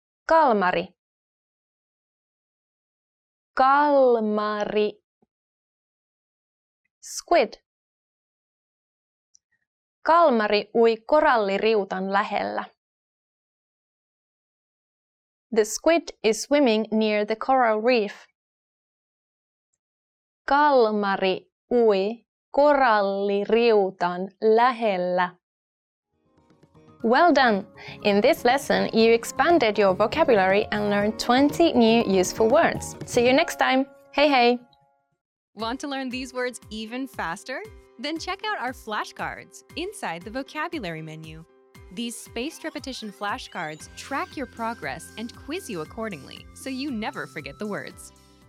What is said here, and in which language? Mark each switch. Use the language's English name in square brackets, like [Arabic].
[Finnish] Kalmari. Kalmari. [English] Squid. [Finnish] Kalmari ui koralliriutan lähellä. [English] The squid is swimming near the coral reef. [Finnish] Kalmari ui koralliriutan lähellä. [English] Well done! In this lesson, you expanded your vocabulary and learned 20 new useful words. See you next time! Hey, hey! Want to learn these words even faster? Then check out our flashcards inside the vocabulary menu. These spaced repetition flashcards track your progress and quiz you accordingly, so you never forget the words.